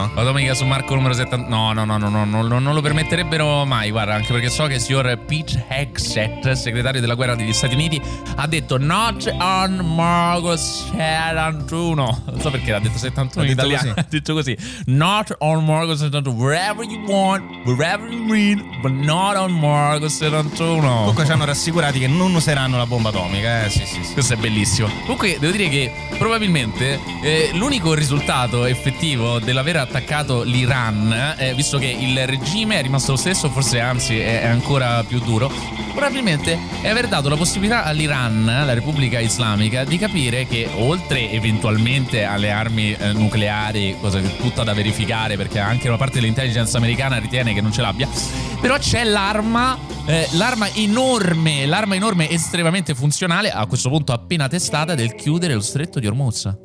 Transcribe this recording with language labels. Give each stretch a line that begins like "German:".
Italian: Bomba atomica su Marco numero 71. No, non lo permetterebbero mai. Guarda, anche perché so che il signor Pete Hegseth, segretario della guerra degli Stati Uniti, ha detto
English: not on Marco 71.
Italian: Non so perché l'ha detto 71 in italiano. Ha detto così.
English: Not on Marco 71. Wherever you want, wherever you mean, but not on Marco 71.
Italian: Comunque ci hanno rassicurati che non useranno la bomba atomica. Sì. Questo è bellissimo. Comunque devo dire che probabilmente l'unico risultato effettivo dell'aver attaccato l'Iran, visto che il regime è rimasto lo stesso, forse anzi è ancora più duro, probabilmente è aver dato la possibilità all'Iran, la Repubblica Islamica, di capire che oltre eventualmente alle armi nucleari, cosa che è tutta da verificare perché anche una parte dell'intelligence americana ritiene che non ce l'abbia, però c'è l'arma enorme estremamente funzionale, a questo punto appena testata, del chiudere lo stretto di Hormuz.